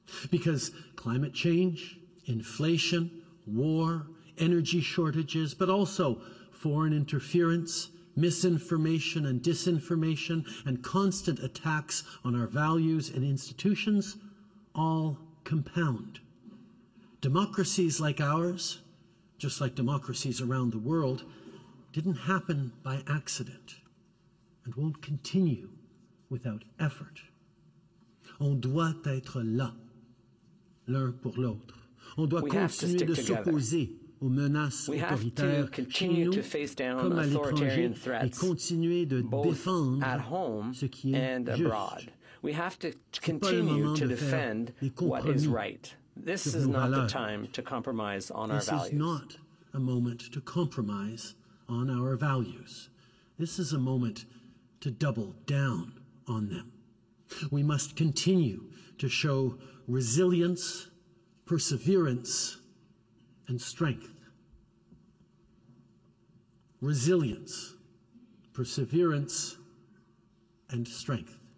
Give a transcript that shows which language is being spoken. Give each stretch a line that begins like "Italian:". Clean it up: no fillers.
English: Because climate change, inflation, war, energy shortages, but also foreign interference, misinformation and disinformation, and constant attacks on our values and institutions all compound. Democracies like ours, just like democracies around the world, didn't happen by accident and won't continue without effort.
French: On doit être là, l'un pour l'autre. On doit continuer de s'opposer aux menaces autoritaires chez nous comme à l'étranger et continuer de défendre ce qui est juste. Ce n'est pas le moment de faire des compromis sur nos valeurs. Ce n'est pas un moment de compromis sur nos valeurs. C'est un moment de
English: double down on them. We must continue to show resilience, perseverance and strength. Resilience, perseverance, and strength.